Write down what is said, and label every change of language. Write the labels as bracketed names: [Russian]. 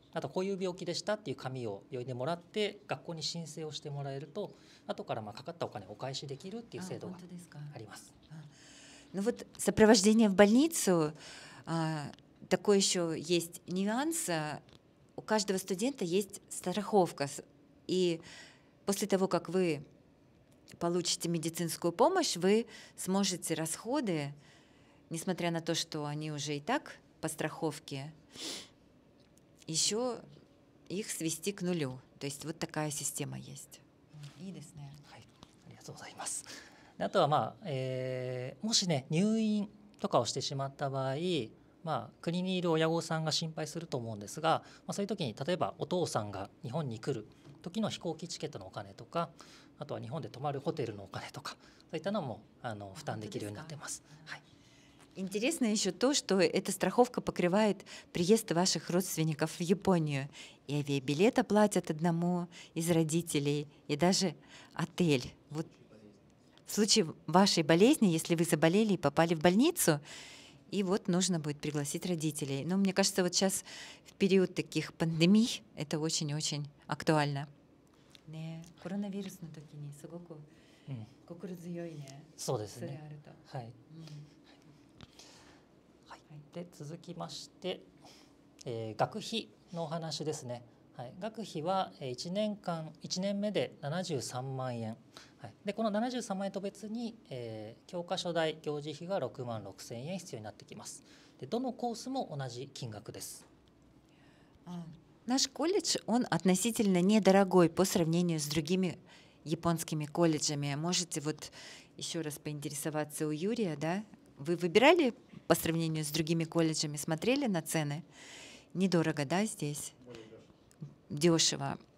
[Japanese] あとこういう病気でしたっていう紙を病院でもらって学校に申請をしてもらえると後からまあかかったお金をお返しできるっていう制度があります。 [Russian] Ну вот сопровождение в больницу, такой еще есть нюанс. У каждого студента есть страховка, и после того как вы получите медицинскую помощь, вы сможете расходы, несмотря на то, что они уже и так по страховке. Еще их свести к нулю. То есть вот такая система есть. [Japanese] はい、ありがとうございます。あとは、まあもしね、入院とかをしてしまった場合、まあ、国にいる親御さんが心配すると思うんですが、まあ、そういう時に例えばお父さんが日本に来る時の飛行機チケットのお金とか、あとは日本で泊まるホテルのお金とか、そういったのも負担できるようになっています。 [Russian] Интересно еще то, что эта страховка покрывает приезд ваших родственников в Японию. И авиабилет оплатят одному из родителей, и даже отель. Вот в случае вашей болезни, если вы заболели и попали в больницу, и вот нужно будет пригласить родителей. Но мне кажется, вот сейчас в период таких пандемий это очень-очень актуально. [Japanese] Не, коронавирус на то кини, сугоку, кукурузиойне. Содесне. Хай. で続きまして、学費のお話ですね、はい、学費は1年目で73万円、はい、でこの73万円と別に、教科書代行事費が6万6000円必要になってきます。でどのコースも同じ金額です。 [Russian] Наш колледж, он относительно недорогой по сравнению с другими японскими колледжами. Можете вот еще раз поинтересоваться у Юрия, да? Вы выбирали по сравнению с другими колледжами, смотрели на цены? Недорого, да, здесь? Дешево.